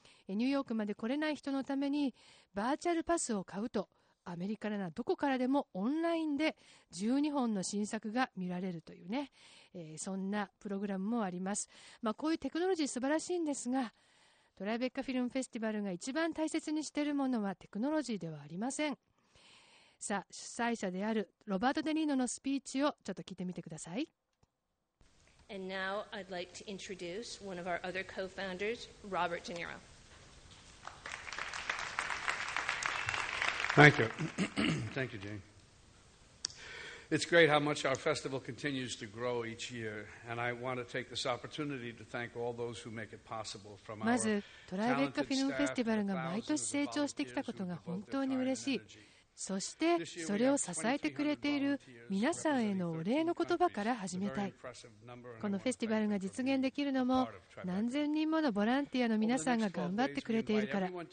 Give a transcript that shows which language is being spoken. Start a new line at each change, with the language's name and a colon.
Japanese: ニューヨークまで来れない人のために、バーチャルパスを買うと、アメリカならどこからでもオンラインで12本の新作が見られるというね、そんなプログラムもあります。まあ、こういうテクノロジー素晴らしいんですが、トライベッカフィルムフェスティバルが一番大切にしているものはテクノロジーではありません。さあ、主催者であるロバート・デ・ニーノのスピーチをちょっと聞いてみてください。
English: And now I'd like to introduce one of our other co-founders, Robert De Niro. Thank you. Thank you, Jane. It's great how much our festival continues to grow each year, and I want to take this opportunity to thank all those who make it possible from our talented staff.
Japanese: まず、トライベッカフィルムフェスティバルが毎年成長してきたことが本当に嬉しい。そしてそれを支えてくれている皆さんへのお礼の言葉から始めたい。このフェスティバルが実現できるのも何千人ものボランティアの皆さんが頑張ってくれているから。